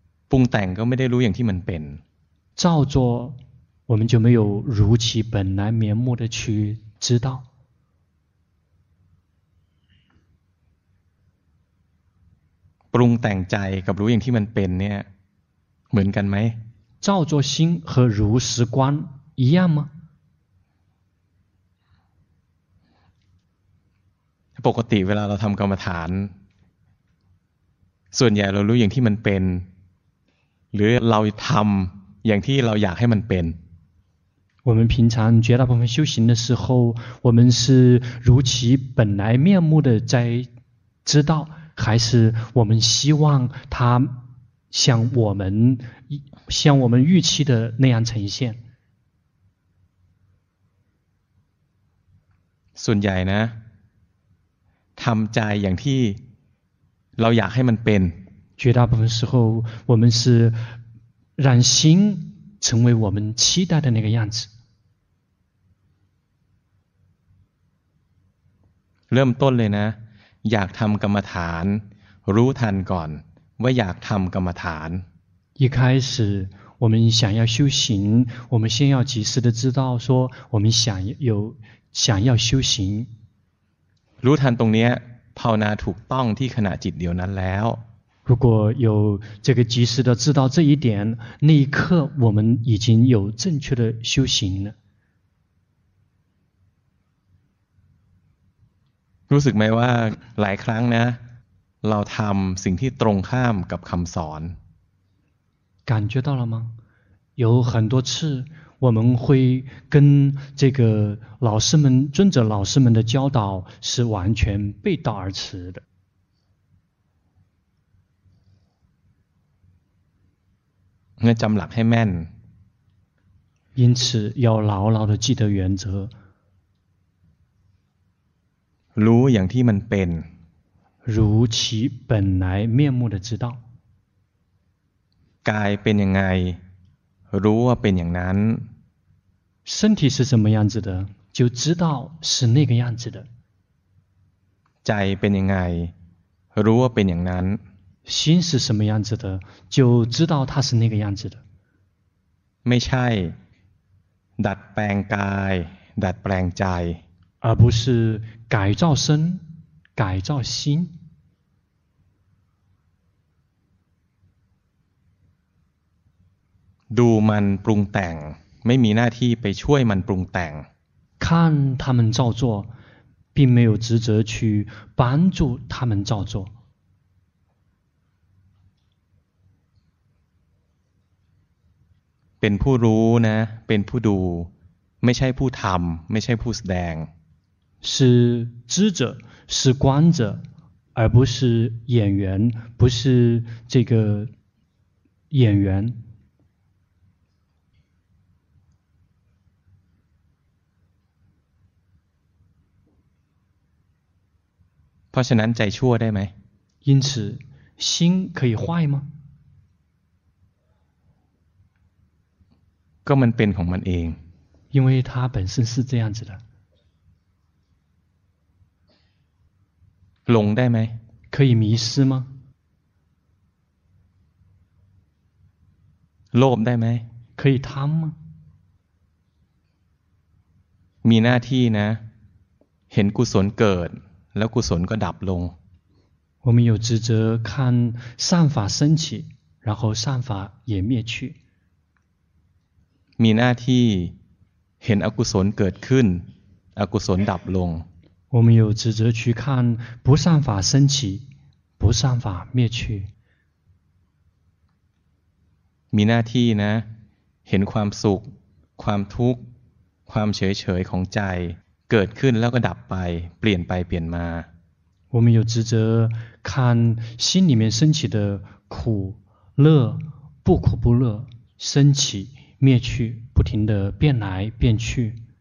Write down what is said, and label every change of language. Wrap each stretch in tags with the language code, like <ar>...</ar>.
<th>ปรุงแต่งก็ไม่ได้รู้อย่างที่มันเป็น</th> <zh>造作我们就没有如其本来面目的去知道</zh> <th>ปรุงแต่งใจกับรู้อย่างที่มันเป็นเนี่ยเหมือนกันไหม</th> <zh>造作心和如实观一样吗</zh> <th>ปกติเวลาเราทำกรรมฐานส่วนใหญ่เรารู้อย่างที่มันเป็นหรือเราทำอย่างที่เราอยากให้มันเป็น</th> <zh>我们平常绝大部分修行的时候我们是如其本来面目的在知道还是我们希望它像我们预期的那样呈现</zh> <th>ส่วนใหญ่นะทำใจอย่างที่เราอยากให้มันเป็น</th> <zh>绝大部分时候我们是让心成为我们期待的那个样子</zh> <th>เริ่มต้นเลยนะอยากทำกรรมฐานรู้ทันก่อนว่าอยากทำกรรมฐาน</th> <zh>一开始我们想要修行我们先要及时的知道说我们想要修行</zh> <th>รู้ทันตรงนี้ภาวนาถูกต้องที่ขณะจิตเดียวนั้นแล้ว</th> <zh>如果有这个及时的知道这一点那一刻我们已经有正确的修行了</zh> <th>รู้สึกไหมว่าหลายครั้งนะเราทำสิ่งที่ตรงข้ามกับคำสอน</th> <zh>感觉到了吗有很多次我们会跟这个老师们遵着老师们的教导是完全背道而驰的</zh> <th>那จำหลักให้แม่น</th> <zh>因此要牢牢地记得原则</zh> <th>รู้อย่างที่มันเป็น</th> <zh>如其本来面目的知道</zh> <th>กายเป็นยังไงรู้ว่าเป็นอย่างนั้น</th> <zh>身体是什么样子的就知道是那个样子的</zh> <th>ใจเป็นยังไงรู้ว่าเป็นอย่างนั้น</th> <zh>心是什么样子的就知道它是那个样子的</zh> <th>ไม่ใช่ดัดแปลงกายดัดแปลงใจ</th> <zh>而不是改造身改造心</zh> <th>ดูมันปรุงแต่งไม่มีหน้าที่ไปช่วยมันปรุงแต่ง</th> <zh>看他们照做并没有职责去帮助他们照做</zh> <th>เป็นผู้รู้นะเป็นผู้ดูไม่ใช่ผู้ทำไม่ใช่ผู้แสดง</th> <zh>是知者是观者而不是演员不是这个演员</zh> <th>เพราะฉะนั้นใจชั่วได้ไหม</th> <zh>因此心可以坏吗</zh> <th>ก็มันเป็นของมันเอง</th> <zh>因为它本身是这样子的</zh> <th>หลงได้ไหม</th> <zh>可以迷失吗</zh> <th>โลภได้ไหม</th> <zh>可以贪吗</zh> <th>มีหน้าที่นะเห็นกุศลเกิดแล้วกุศลก็ดับลง</th> <zh>我们有职责看善法升起然后善法也灭去</zh> <th>มีหน้าที่เห็นอกุศลเกิดขึ้นอกุศลดับลง</th> <zh>我们有职责去看不善法升起不善法灭去</zh> <th>มีหน้าที่นะเห็นความสุขความทุกข์ความเฉยๆของใจเกิดขึ้นแล้วก็ดับไปเปลี่ยนไปเปลี่ยนมา</th> <zh>我们有职责看心里面升起的苦乐不苦不乐升起灭去不停的变来变去</zh>